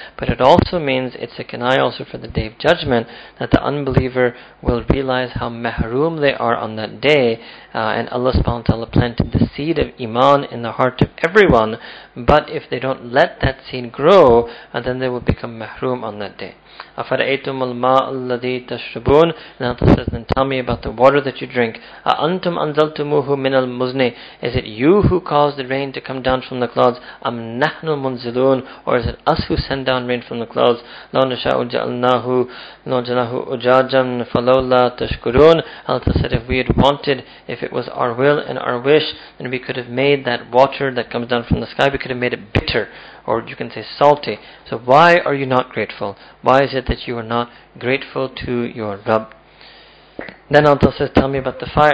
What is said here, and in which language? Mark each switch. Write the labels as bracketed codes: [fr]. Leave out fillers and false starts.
[en] But it also means it's a kenai also for the day of judgment, that the unbeliever will realize how mahroom they are on that day, and Allah subhanahu wa ta'ala planted the seed of iman in the heart of everyone, but if they don't let that seed grow, then they will become mahroom on that day. [ar] أفرأيتم الماء الذي تشربون. [en] And Allah says, then tell me about the water that you drink. [ar] أأنتم أنزلتموه من المزن. [en] Is it you who caused the rain to come down from the clouds? [ar] أم نحن المنزلون. [en] Or is it us who send down rain from the clouds? [ar] لو نشاء جعلناه أجاجا فلولا تشكرون. [en] Allah said, if we had wanted, if it was our will and our wish, then we could have made that water that comes down from the sky, we could have made it bitter. Or you can say salty. So why are you not grateful? Why is it that you are not grateful to your Rabb? Then Allah says, tell me about the fire.